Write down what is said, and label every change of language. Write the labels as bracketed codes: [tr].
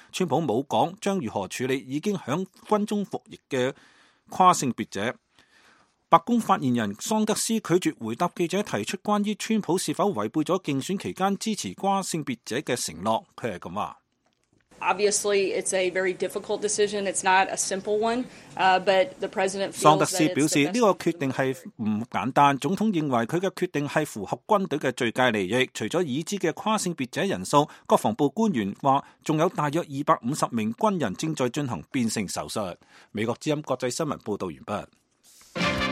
[zh] 川普没有说将如何处理已经在军中服役的跨性别者。白宫发言人桑德斯拒绝回答记者提出关于川普是否违背了竞选期间支持跨性别者的承诺，他是这样说。 [en] Obviously, it's a very difficult decision. It's not a simple one, but the president feels that it's the best. [zh] 桑德斯表示，这个决定是不简单。总统认为他的决定是符合军队的最佳利益。除了已知的跨性别者人数，国防部官员说，还有大约250名军人正在进行变性手术。美国之音国际新闻报道完毕。